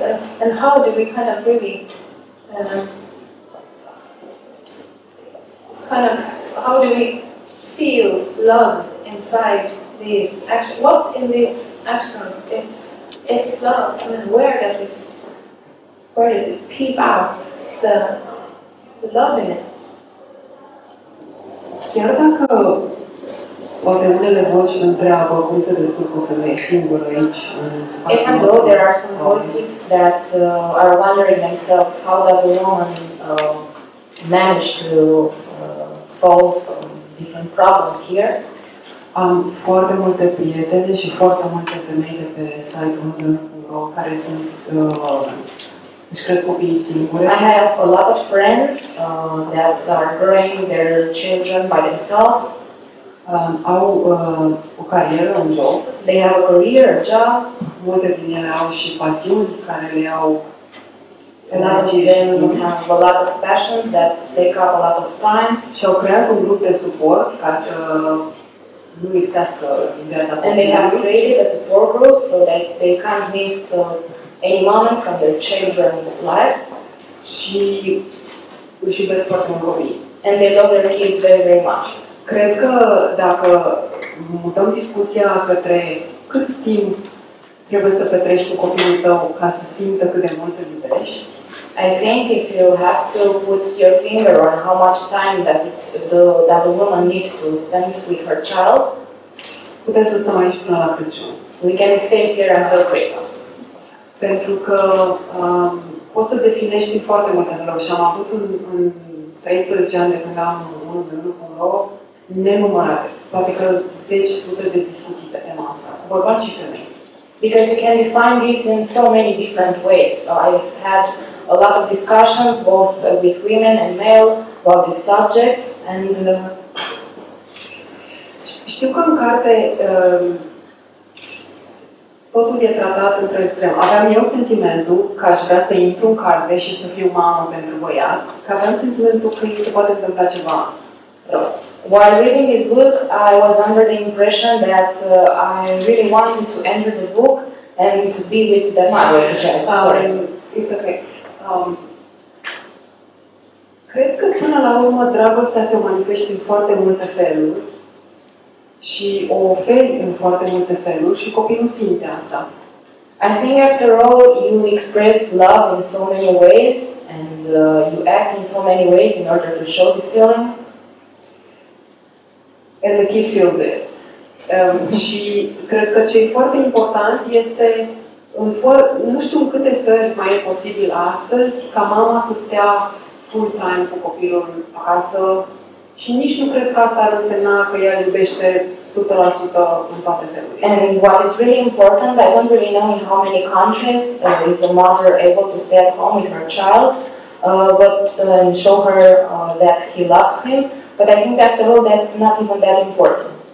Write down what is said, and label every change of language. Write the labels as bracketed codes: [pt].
[en] And how do we kind of really, how do we feel love inside these actions? What in these actions is love? I mean, where does it peep out the love in it? [ro] Chiar dacă poate unele voci întreabă cum se descurcă o femeie singură aici, în spațiul ăsta. [en] Even though there are some voices that are wondering themselves, how does a woman manage to solve different problems here? [ro] Am foarte multe prietene și foarte multe femei de pe site-ul unde care sunt își cresc copiii singure. [en] I have a lot of friends that are growing their children by themselves. [ro] Au o carieră, un job. [en] They have a career, a job. [ro] Multe din ele au și pasiuni care le au. [en] A lot of them have a lot of passions that take up a lot of time. [ro] Și au creat un grup de suport ca să nu lipsească din viața copilului. [en] And they have created a support group so that they can't miss any moment from their children's life. [ro] Și își iubesc foarte mult copiii. [en] And they love their kids very, very much. [ro] Cred că dacă mutăm discuția către cât timp trebuie să petreci cu copilul tău ca să simtă cât de mult îl iubești. [en] I think if you have to put your finger on how much time does a woman need to spend with her child, [ro] putem să stăm aici până la Crăciun. [en] We can stay here until Christmas. [ro] Pentru că poți să definești foarte multe lucruri. Și am avut în 13 ani de când am unul de lucru în loc, nenumărate, poate că zeci, sute de discuții pe tema asta, cu bărbați și femei. [en] Because you can define this in so many different ways. So I've had a lot of discussions, both with women and male, about this subject, and... [ro] Știu că în carte totul e tratat într-o extremă. Aveam eu sentimentul că aș vrea să intru în carte și să fiu mamă pentru băiat, că aveam sentimentul că se poate întâmpla ceva. [en] While reading this book, I was under the impression that I really wanted to enter the book and to be with the mother. Sorry. It's okay. [ro] Cred că până la urmă dragostea ți-o manifesti în foarte multe feluri și o oferi în foarte multe feluri și copilul simte asta. [en] I think after all, you express love in so many ways and you act in so many ways in order to show this feeling. And the kid feels it. [ro] Și cred că ce e foarte important este nu știu în câte țări mai e posibil astăzi ca mama să stea full time cu copilul acasă și nici nu cred că asta ar însemna că ea iubește 100% în toate felurile. [en] And what is really important, I don't really know in how many countries is a mother able to stay at home with her child and show her that he loves him. But I think after all, that's not even that important.